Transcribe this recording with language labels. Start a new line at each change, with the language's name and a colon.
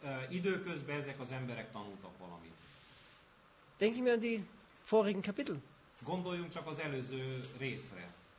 Hungarian: Időközben ezek az emberek tanultak valamit.
German: Denken wir an die vorigen Kapitel.
Hungarian: Gondoljunk csak az előző részre.